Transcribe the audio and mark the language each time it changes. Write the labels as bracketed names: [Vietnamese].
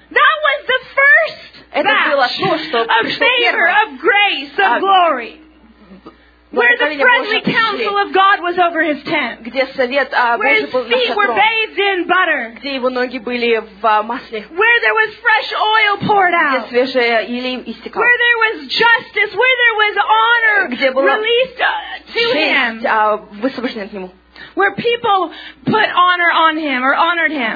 [English] That was the first batch of favor, of grace, of glory. Where the friendly counsel of God was over his tent. [Russian] Где совет Божий был на шатре. [English] Where his feet were bathed in butter. [Russian] Где его ноги были в масле. [English] Where there was fresh oil poured out. [Russian] Где свежее елеем истекало. [English] Where there was justice, where there was honor released to him. [Russian] Высвобождение от него. [English] Where people put honor on him or honored him.